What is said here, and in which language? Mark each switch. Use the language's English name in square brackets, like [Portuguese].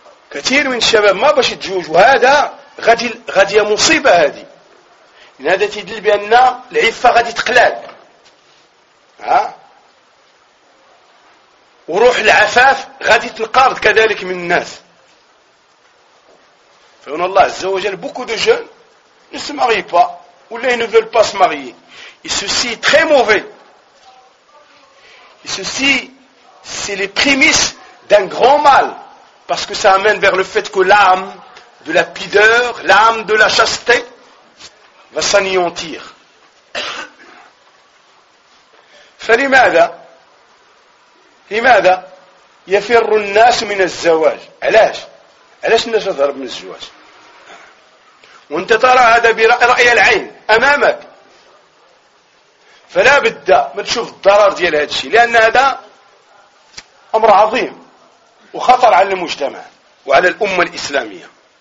[Arabic] كثير من الشباب ما بوش يتزوجوا، وهذا غادي مصيبة هذه، لأن هذا تدل بأن العفة غادي تقلال، وروح العفاف غادي تنقرض كذلك من الناس. فإن الله عز وجل [French] beaucoup de jeunes ne se marient pas ou là ils ne veulent pas se marier. Et ceci est très mauvais. Et ceci c'est les prémices d'un grand mal, parce que ça amène vers le fait que l'âme de la pideur, l'âme de la chasteté va s'anéantir. [Arabic] فلماذا لماذا يفر الناس من الزواج؟ علاش علاش الناس تهرب من الزواج؟ وانت ترى هذا برأي العين امامك، فلا بد ما تشوف الضرر ديال هذا الشيء، لان هذا امر عظيم وخطر على المجتمع وعلى الامه الاسلاميه.